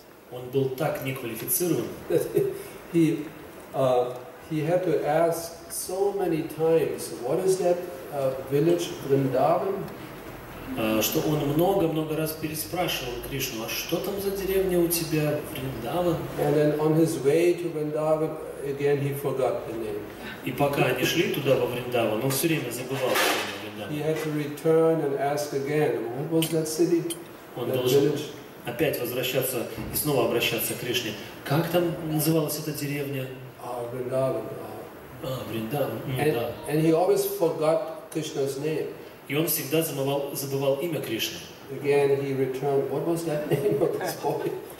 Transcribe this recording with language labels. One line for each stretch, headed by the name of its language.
Russian: Он был так неквалифицирован.
English: He had to ask so many times, what is that village Vrindavan?
Russian: Что он много-много раз переспрашивал Кришну, а что там за деревня у тебя, Вриндаван?
English: And then on his way to Vrindavan, again he forgot the name.
Russian: И пока они шли туда, во Вриндаван, он все время забывал про Вриндаван.
English: He had to return and ask again, what was that city?
Russian: Он должен опять возвращаться и снова обращаться к Кришне. Как там называлась эта деревня? Вриндаван. Вриндаван, да.
English: And he always forgot Krishna's name.
Russian: И он всегда забывал имя Кришны.
English: Again he returned. What was that name of this boy?